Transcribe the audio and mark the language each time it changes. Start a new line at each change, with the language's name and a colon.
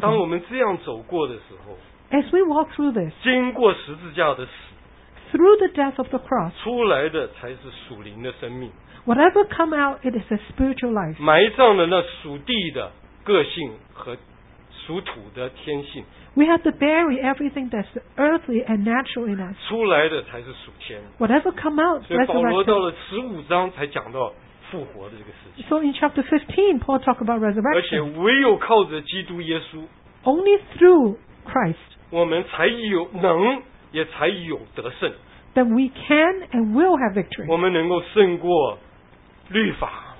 Chinese: 当我们这样走过的时候。
English: As we walk through this.
Chinese: 经过十字架的死。
English: Through the death of the cross.
Chinese: 出来的才是属灵的生命。
English: Whatever come out, it is a spiritual life.
Chinese: 埋葬了那属地的个性和属土的天性。
English: We have to bury everything that's earthly and natural in us.
Chinese: 出来的才是属天。
English: Whatever come out, resurrection.
Chinese: 所以保罗到了十五章才讲到复活的这个事情。
English: So in chapter 15, Paul talked about resurrection.
Chinese: 而且唯有靠着基督耶稣。
English: Only through Christ.
Chinese: 我们才有能，也才有得胜。
English: Then we can and will have victory.
Chinese: 我们能够胜过律法。